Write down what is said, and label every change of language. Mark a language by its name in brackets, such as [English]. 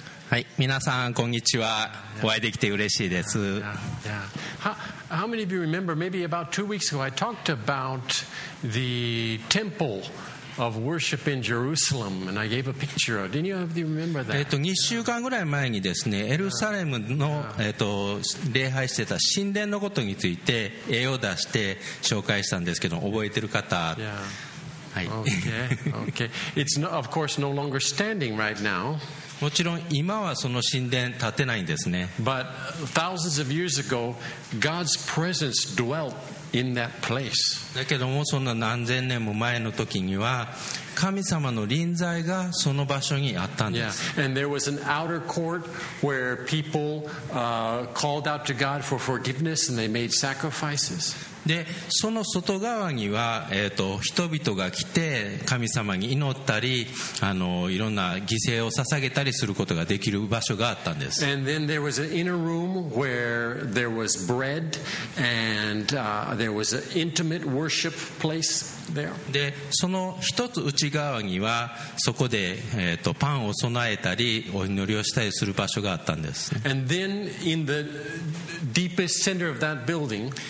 [Japanese] はい、皆さんこんにちは。お会いできて嬉しいです。 [English] How many of you remember? Maybe about 2 weeks ago, I talked about the temple of worship in Jerusalem, and I gave a picture. Didn't you ever remember that? [Japanese] 2週間ぐらい前にですね、エルサレムの礼拝してた神殿のことについて絵を出して紹介したんですけど、覚えてる方。 [English] Okay. It's no, of course no longer standing right now. [Japanese] もちろん今はその神殿建てないんですね。 [English] But thousands of years ago, God's presence dwelt in that place. [Japanese] だけどもそんな何千年も前の時には神様の臨在がその場所にあったんです。 [English] Yeah. And there was an outer court where people called out to God for forgiveness and they made sacrifices. [Japanese] でその外側には、人々が来て神様に祈ったりいろんな犠牲を捧げたりすることができる場所があったんです。 [English] And then there was an inner room where there was bread and there was an intimate worship place there. [Japanese] でその一つ内側にはそこで、パンを備えたりお祈りをしたりする場所があったんです。 [English] And then in the deepest center of that building,